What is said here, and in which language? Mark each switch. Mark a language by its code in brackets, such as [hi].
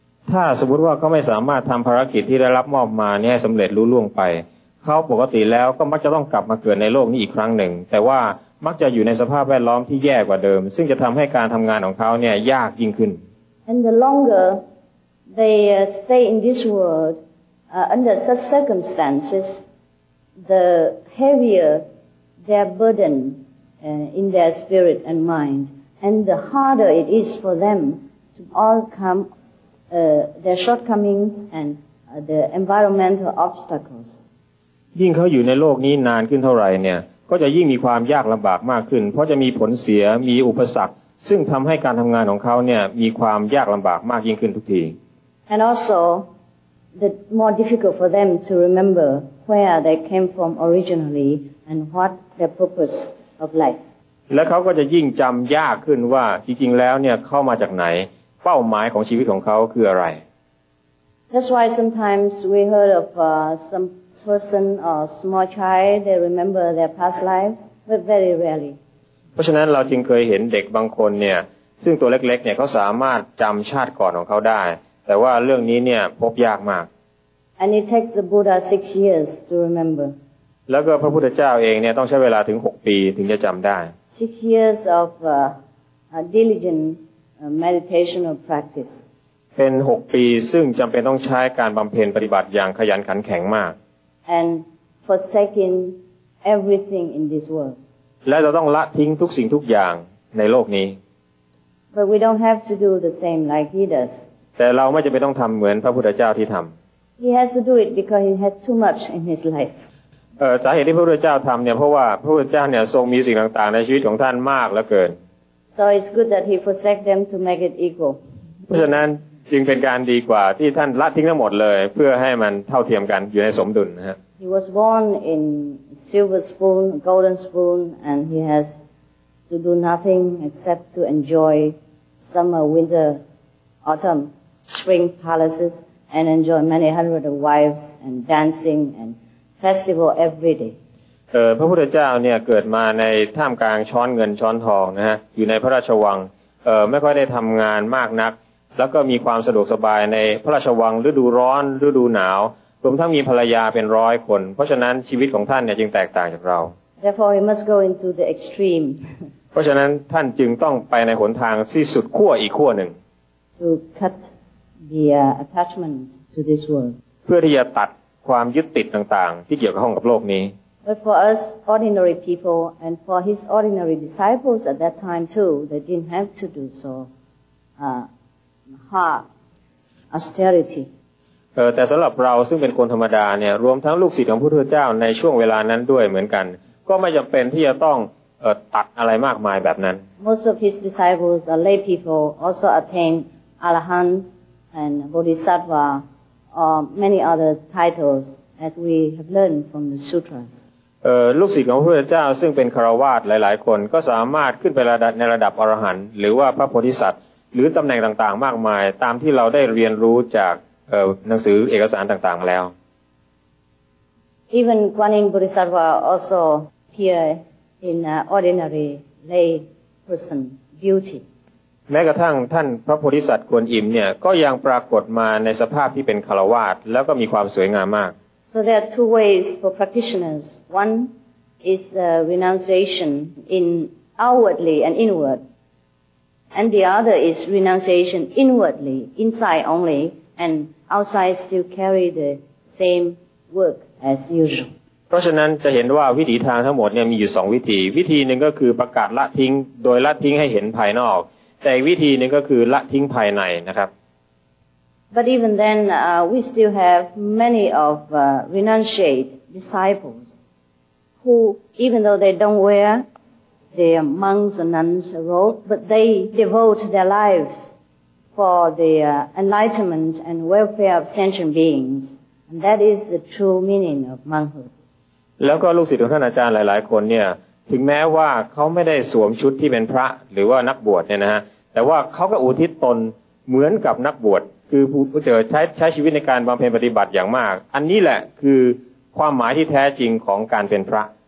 [th] ถ้าสมมติว่าเขาไม่สามารถทำภารกิจที่ได้รับมอบมาให้สำเร็จลุล่วงไปเขาปกติแล้วก็มักจะต้องกลับมาเกิดในโลกนี้อีกครั้งหนึ่งแต่ว่ามักจะอยู่ในสภาพแวดล้อมที่แย่กว่าเดิมซึ่งจะทำให้การทำงานของเขาเนี่ยยากยิ่งขึ้น [en] And the longer they stay in this world under such circumstances the heavier their burden in their spirit and mind and the harder it is for them to overcome their shortcomings and the environmental obstacles [th] ยิ่งเขาอยู่ในโลกนี้นานขึ้นเท่าไหร่เนี่ยก็จะยิ่งมีความยากลำบากมากขึ้นเพราะจะมีผลเสียมีอุปสรรคซึ่งทำให้การทำงานของเขาเนี่ยมีความยากลำบากมากยิ่งขึ้นทุกที [en] And also the more difficult for them to remember where they came from originally and what their purpose of life [th] และเขาก็จะยิ่งจำยากขึ้นว่าจริงๆแล้วเนี่ยเข้ามาจากไหนเป้าหมายของชีวิตของเขาคืออะไร [en] That's why sometimes we heard of someperson or small child they remember their past lives but very rarely [th] พราะฉะนั้นเราจึงเคยเห็นเด็กบางคนเนี่ยซึ่งตัวเล็กๆ เนี่ยเขาสามารถจำชาติก่อนของเขาได้แต่ว่าเรื่องนี้เนี่ยพบยากมาก [en] And it takes the Buddha 6 years to remember [th] แล้วก็พระพุทธเจ้าเองเนี่ยต้องใช้เวลาถึง6ปีถึงจะจำได้ [en] 6 years of diligent meditational practice [th] เป็น6ปีซึ่งจำเป็นต้องใช้การบำเพ็ญปฏิบัติอย่างขยันขันแข็งมาก [en] And forsaking everything in this world [th] และเราต้องละทิ้งทุกสิ่งทุกอย่างในโลกนี้ [en] But we don't have to do the same like he does [th] แต่เราไม่จำเป็นต้องทำเหมือนพระพุทธเจ้าที่ทำ [en] He has to do it because he had too much in his life [th] สาเหตุที่พระพุทธเจ้าทำเนี่ยเพราะว่าพระพุทธเจ้าเนี่ยทรงมีสิ่งต่างๆในชีวิตของท่านมากเหลือเกิน [en] So it's good that he forsake them to make it equal [th] เพราะฉะนั้นจึงเป็นการดีกว่าที่ท่านละทิ้งทั้งหมดเลยเพื่อให้มันเท่าเทียมกันอยู่ในสมดุลนะฮะ [en] He was born in silver spoon, golden spoon, and he has to do nothing except to enjoy summer, winter, autumn, spring palaces, and enjoy many hundreds of wives and dancing and festival every day. [th] พระพุทธเจ้าเนี่ยเกิดมาในท่ามกลางช้อนเงินช้อนทองนะฮะอยู่ในพระราชวังไม่ค่อยได้ทำงานมากนักแล้วก็มีความสะดวกสบายในพระราชวังฤดูร้อนฤดูหนาวรวมทั้งมีภรรยาเป็นร้อยคนเพราะฉะนั้นชีวิตของท่านเนี่ยจึงแตกต่างจากเรา [en] Therefore he must go into the extreme [th] เพราะฉะนั้นท่านจึงต้องไปในหนทางที่สุดขั้วอีกขั้วหนึ่ง [en] To cut the attachment to this world [th] เพื่อที่จะตัดความยึดติดต่างๆที่เกี่ยวข้องกับโลกนี้ [en] But for us ordinary people and for his ordinary disciples at that time too they didn't have to do so hard austerity [th] แต่สำหรับเราซึ่งเป็นคนธรรมดาเนี่ยรวมทั้งลูกศิษย์ของพระพุทธเจ้าในช่วงเวลานั้นด้วยเหมือนกันก็ไม่จำเป็นที่จะต้องตัดอะไรมากมายแบบนั้น [en] Most of his disciples are lay people also attain Arahant and Bodhisattva or many other titles that we have learned from the sutras [th] ลูกศิษย์ของพระพุทธเจ้าซึ่งเป็นคฤหัสถ์หลายๆคนก็สามารถขึ้นไปในระดับอรหันต์หรือว่าพระโพธิสัตว์หรือตำแหน่งต่างๆมากมายตามที่เราได้เรียนรู้จากหนังสือเอกสารต่างๆแล้ว [en] Even Guanyin Bodhisattva also appear in ordinary lay person beauty [th] แม้กระทั่งท่านพระโพธิสัตว์กวนอิมเนี่ยก็ยังปรากฏมาในสภาพที่เป็นคฤหัสถ์แล้วก็มีความสวยงามมาก [en] So there are two ways for practitioners One is renunciation in outwardly and inward and the other is renunciation inwardly inside onlyAnd outside still carry the same work as usual. [th] เพราะฉะนั้นจะเห็นว่าวิธีทางทั้งหมดเนี่ยมีอยู่สองวิธีวิธีหนึ่งก็คือประกาศละทิ้งโดยละทิ้งให้เห็นภายนอกแต่วิธีหนึ่งก็คือละทิ้งภายในนะครับ [en] But even then, we still have many of renunciate disciples who, even though they don't wear their monks and nuns robe, but they devote their lives. For the enlightenment and welfare of sentient beings, and that is the true meaning of monkhood. [th] แล้วก็ลูกศิษย์ของท่านอาจารย์หลายๆคนเนี่ยถึงแม้ว่าเขาไม่ได้สวมชุดที่เป็นพระหรือว่านักบวชเนี่ยนะฮะแต่ว่าเขาก็อุทิศตนเหมือนกับนักบวชคือผู้เจอใช้ชีวิตในการบำเพ็ญปฏิบัติอย่างมากอันนี้แหละคือความหมายที่แท้จริงของการเป็นพระ